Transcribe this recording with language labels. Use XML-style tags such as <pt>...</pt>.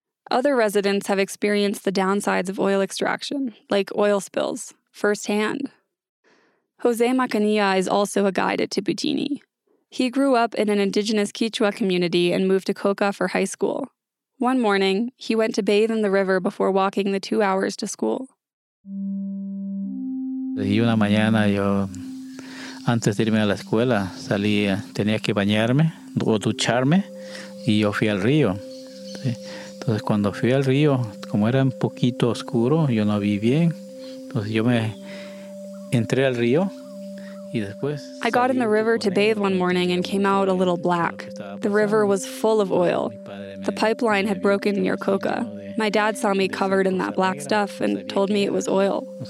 <en>Other residents have experienced the downsides of oil extraction, like oil spills, firsthand. Jose Macanilla is also a guide at Tiputini. He grew up in an indigenous Quechua community and moved to Coca for high school. One morning, he went to bathe in the river before walking the 2 hours to school.</en> <es>Y una mañana yo, antes de irme a la escuela, salí, tenía que bañarme o ducharme y yo fui al río. Entonces cuando fui al río, como era un poquito oscuro, yo no vi bien.</es> <en>I got in the river to bathe one morning and came out a little black. The river was full of oil. The pipeline had broken near Coca. My dad saw me covered in that black stuff and told me it was oil.</en>